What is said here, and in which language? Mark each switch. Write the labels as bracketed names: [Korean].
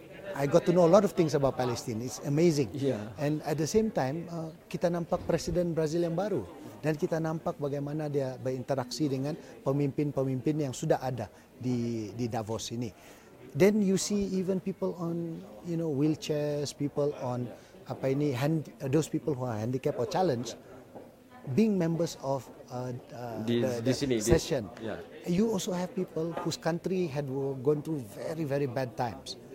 [English] I got to know a lot of things about Palestine. It's amazing. Yeah. And at the same time, [Malay] kita nampak presiden Brazil yang baru dan kita nampak bagaimana dia berinteraksi dengan pemimpin-pemimpin yang sudah ada di Davos ini. [English] Then you see even people on, you know, wheelchairs, people on [Malay] apa ini, [English] those people who are handicapped or challenged, being members of the session. Yeah. You also have people whose country had gone through very, very bad times.